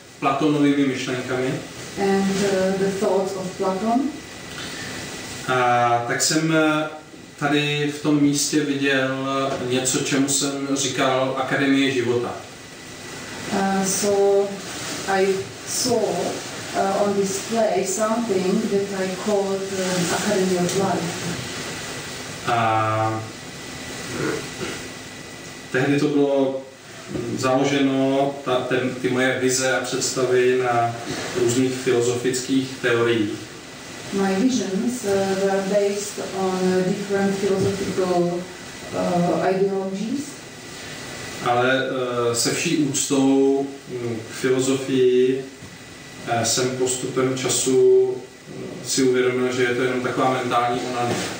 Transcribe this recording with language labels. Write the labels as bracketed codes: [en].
[cs] Platonovými myšlenkami. [en] And the thoughts of Platon. [cs] A tak jsem tady v tom místě viděl něco, čemu jsem říkal Akademie života. [en] So I saw on display something that I called Academy of Life. [cs] Tehdy to bylo založeno, ty moje vize a představy na různých filozofických teoriích. [en] My visions were based on different philosophical ideologies. [cs] Ale se vší úctou k filozofii jsem postupem času si uvědomil, že je to jenom taková mentální onaní.